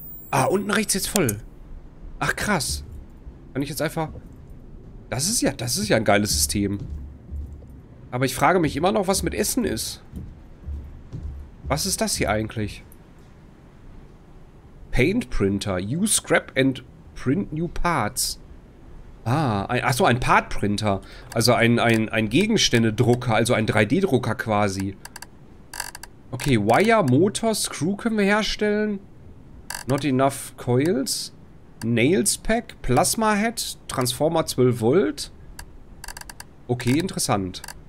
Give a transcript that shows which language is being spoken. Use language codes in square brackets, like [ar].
[de] Ah, unten rechts jetzt voll. Ach, krass. Kann ich jetzt einfach... Das ist ja ein geiles System. Aber ich frage mich immer noch, was mit Essen ist. Was ist das hier eigentlich? [en] Paint Printer. Use Scrap and Print New Parts. [de] Ah, ein Part Printer. Also ein Gegenständedrucker, also ein 3D-Drucker quasi. Okay, Wire, Motor, Screw können wir herstellen. [en] Not enough Coils. [de] Nails Pack, Plasma Head, Transformer 12 Volt. Okay, interessant.